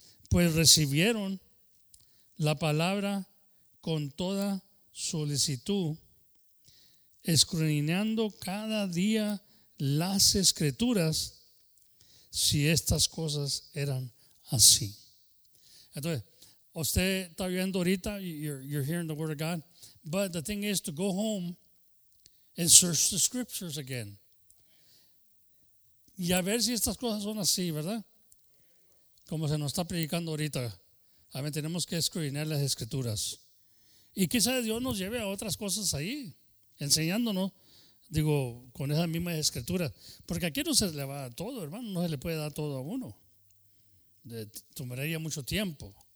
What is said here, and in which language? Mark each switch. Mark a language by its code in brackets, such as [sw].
[es] Pues recibieron la palabra con toda solicitud, escudriñando cada día las escrituras, si estas cosas eran así. Entonces, usted está oyendo ahorita, [en] you're hearing the word of God, but the thing is to go home and search the scriptures again. [es] Y a ver si estas cosas son así, ¿verdad? Como se nos está predicando ahorita. A ver, tenemos que escudriñar las escrituras. Y quizás Dios nos lleve a otras cosas ahí, enseñándonos, digo, con esas mismas escrituras. Porque aquí no se le va todo, hermano, no se le puede dar todo a uno. Tomaría mucho tiempo.